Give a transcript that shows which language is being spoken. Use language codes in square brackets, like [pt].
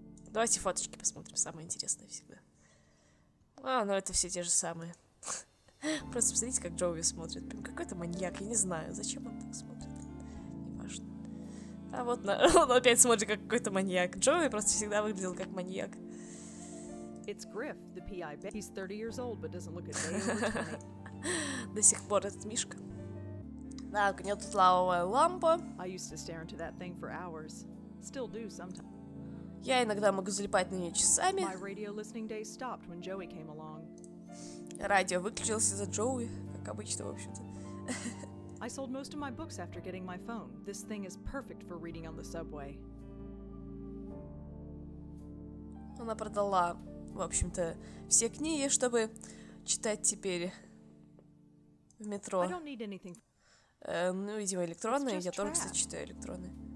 [ru] Давайте фоточки посмотрим, самое интересное всегда. А, ну это все те же самые. Просто посмотрите, как Джоуи смотрит. Прям какой-то маньяк, я не знаю, зачем он так смотрит. Неважно. А вот на... он опять смотрит, как какой-то маньяк. Джоуи просто всегда выглядел как маньяк. [en] It's Griff, the PI. He's 30 years old, but doesn't look a day over [ru] 20. До сих пор этот мишка. Так, у нее тут лавовая лампа. [en] I used to stare into that thing for hours. Still do sometimes. [ru] Я иногда могу залипать на нее часами. [en] My radio listening day stopped when Joey came along. [ru] Радио выключилось из-за Джоуи, как обычно, в общем-то. [en] I sold most of my books after getting my phone. This thing is perfect for reading on the subway. [ru] Она продала, в общем-то, все книги, чтобы читать теперь в метро. [en] I don't need anything. [ru] Ну, видимо, электронные. Я тоже, кстати, читаю электроны.